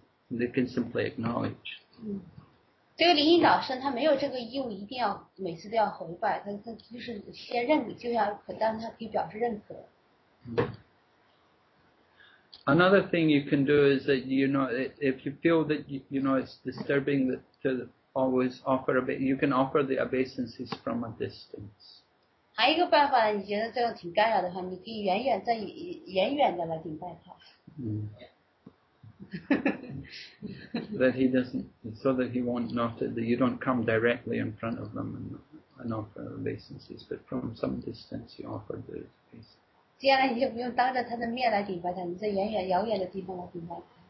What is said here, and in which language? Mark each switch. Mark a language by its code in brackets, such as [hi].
[en] They can simply acknowledge. [zh] 这个灵性导师他没有这个义务，一定要每次都要回拜，他就是先认可，就像可当他可以表示认可。 [en] Another thing you can do is that, you know, if you feel that, you know, it's disturbing to always offer you can offer the obeisances from a distance. [zh] 还有一个办法，你觉得这样挺干扰的话，你可以远远在远远的来顶拜他。 [en] That he doesn't, so that he won't notice that you don't come directly in front of them and offer obeisances, but from some distance you offer the obeisances. [zh] 接下来你就不用当着他的面来顶拜他，你在远远遥远的地方来顶拜他。